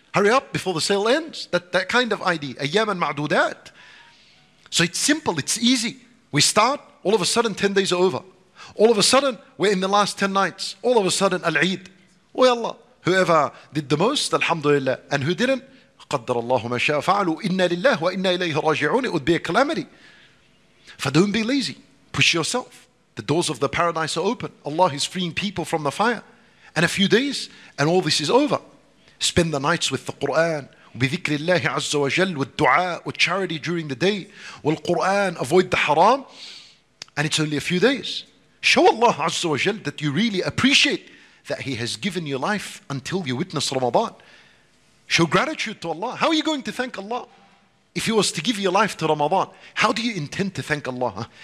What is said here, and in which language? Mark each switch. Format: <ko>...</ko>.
<en>Hurry up before the sale ends. That kind of idea.</en> <ar>Ayyaman ma'dudat.</ar> <en>So it's simple, it's easy. We start, all of a sudden 10 days are over. All of a sudden, we're in the last 10 nights. All of a sudden, Al-Eid. Oh, ya Allah. Whoever did the most, Alhamdulillah. And who didn't?</en> <ar>قَدَّرَ اللَّهُ مَا شَاءَ فَعَلُوا إِنَّا لِلَّهُ وَإِنَّا إِلَيْهِ رَاجِعُونَ</ar> <en>It would be a calamity. For don't be lazy. Push yourself. The doors of the paradise are open. Allah is freeing people from the fire. And a few days, and all this is over. Spend the nights with the Qur'an.</en> <ar>بِذِكْرِ اللَّهِ عَزَّ وَجَلْ وَالدُّعَاء وَالْ</ar> <en>during the day.</en> <ar>وَالْقُرْآنِ</ar> <en>Avoid the haram. And it's only a few days. Show Allah Azza wa Jal that you really appreciate that He has given you life until you witness Ramadan. Show gratitude to Allah. How are you going to thank Allah? If He was to give you life to Ramadan, how do you intend to thank Allah?</en>